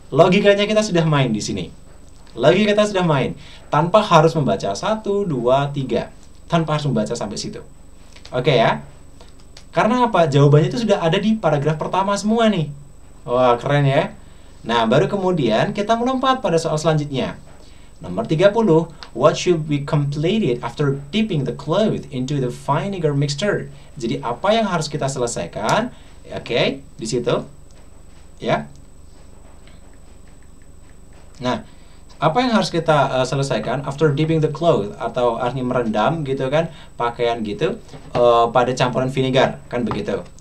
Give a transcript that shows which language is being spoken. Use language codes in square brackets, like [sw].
[id] Logikanya kita sudah main di sini. Logika kita sudah main. Tanpa harus membaca 1, 2, 3. Tanpa harus membaca sampai situ. Oke ya. Karena apa? Jawabannya itu sudah ada di paragraf pertama semua nih. Wah, keren ya. Nah, baru kemudian kita melompat pada soal selanjutnya. Nomor 30. [en] What should be completed after dipping the cloth into the vinegar mixture? [id] Jadi, apa yang harus kita selesaikan? Oke, di situ. Ya. Nah, apa yang harus kita selesaikan [en] after dipping the cloth [id] atau artinya merendam gitu kan pakaian gitu pada campuran vinegar kan begitu.